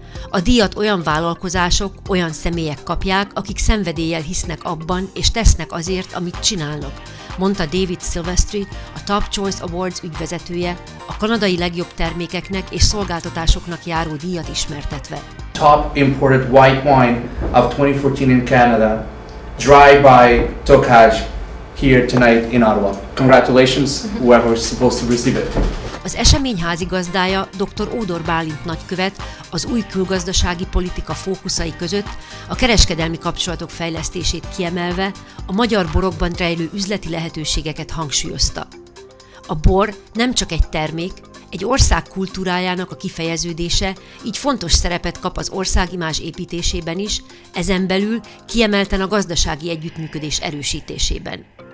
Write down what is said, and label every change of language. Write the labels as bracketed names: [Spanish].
[Hungarian] A díjat olyan vállalkozások, olyan személyek kapják, akik szenvedéllyel hisznek abban és tesznek azért, amit csinálnak, mondta David Silvestri, a Top Choice Awards ügyvezetője, a kanadai legjobb termékeknek és szolgáltatásoknak járó díjat ismertetve. [English] Top imported white wine of 2014 in Canada, dry by Tokaj, here tonight in Ottawa. Congratulations, whoever is supposed to receive it. [Hungarian] Az esemény házigazdája, dr. Ódor Bálint nagykövet, az új külgazdasági politika fókuszai között a kereskedelmi kapcsolatok fejlesztését kiemelve a magyar borokban rejlő üzleti lehetőségeket hangsúlyozta. A bor nem csak egy termék, egy ország kultúrájának a kifejeződése, így fontos szerepet kap az országimázs építésében is, ezen belül kiemelten a gazdasági együttműködés erősítésében.